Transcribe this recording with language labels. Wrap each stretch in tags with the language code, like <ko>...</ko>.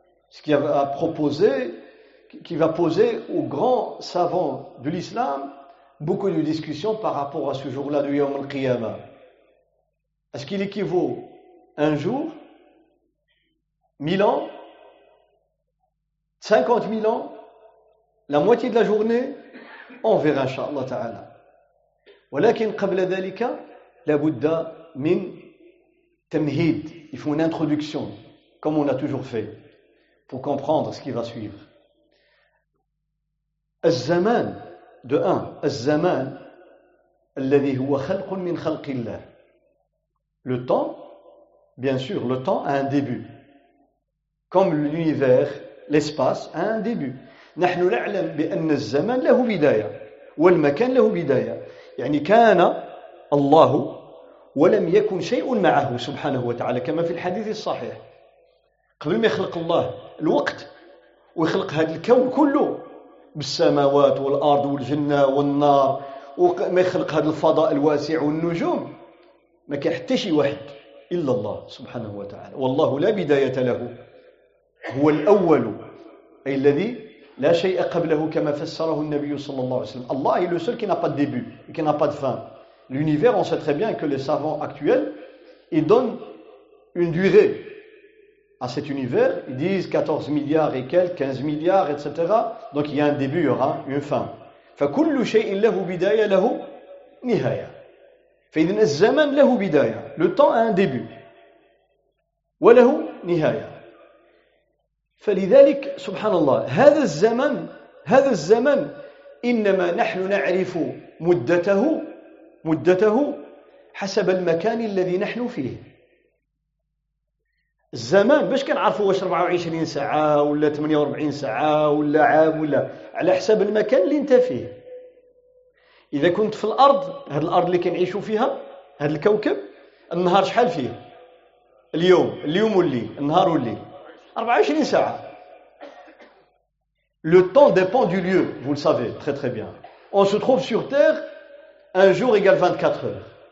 <fr>Ce qui a proposé, qui va poser aux grands savants de l'islam beaucoup de discussions par rapport à ce jour-là du Yawm al-Qiyamah. Est-ce qu'il équivaut un jour, 1000 ans, 50,000 ans, la moitié de la journée? On verra, incha'Allah ta'ala.</fr> <ar>ولكن قبل ذلك لابد من تمهيد.</ar> <fr>Il faut une introduction, comme on a toujours fait, pour comprendre ce qui va suivre.</fr> <ar>الزمان,</ar> <fr>de un,</fr> <ar>الزمان الذي هو خلق من خلق الله.</ar> <fr>Le temps, bien sûr, le temps a un début. Comme l'univers, l'espace a un début.</fr> <ar>نحن نعلم بأن الزمان له بداية والمكان له بداية. يعني كان الله ولم يكن شيء معه سبحانه وتعالى كما في الحديث الصحيح. قبل ما يخلق الله الوقت ويخلق هذا الكون كله بالسماوات والأرض والجنة والنار وما يخلق هذا الفضاء الواسع والنجوم ما كان حتى شيء واحد إلا الله سبحانه وتعالى. والله لا بداية له, هو الأول أي الذي لا شيء قبله كما فسره النبي صلى الله عليه وسلم. الله هو الوحيد الذي لا</ar> <fr>pas de début et qui n'a pas de fin. L'univers, on sait très bien que les savants actuels ils donnent une durée à cet univers, ils disent 14 milliards et quelques, 15 milliards, etc. Donc il y a un début, il y aura une fin.</fr> <ar>فكل شيء له بداية له نهاية. فإذن الزمن له بداية,</ar> <fr>le temps a un début</fr> <ar>وله نهاية. فلذلك سبحان الله هذا الزمن, هذا الزمن إنما نحن نعرف مدته, مدته حسب المكان الذي نحن فيه. الزمان باش كنعرفوا واش 24 ساعة ولا 48 ساعة ولا عام ولا على حسب المكان اللي انت فيه. إذا كنت في الأرض, هذه الأرض اللي كنعيشوا فيها, هذا الكوكب, النهار شحال فيه؟ اليوم, اليوم والليل, النهار والليل 24 ساعة.</ar> <fr>Le temps dépend du lieu, vous le savez très très bien. On se trouve sur Terre, un jour égale 24 heures.</fr>